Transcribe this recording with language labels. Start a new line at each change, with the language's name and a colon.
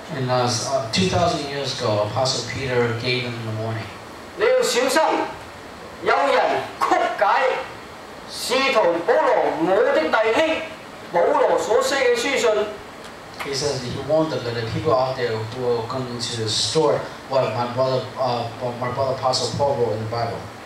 English: And 2,000 years ago, Apostle Peter gave them the warning.
Cantonese: 你要小心，有人曲解使徒保罗我的弟兄保罗所写嘅书信。
English: He says he warned them that the people out there who are going to distort what my brother Apostle Paul wrote in the Bible.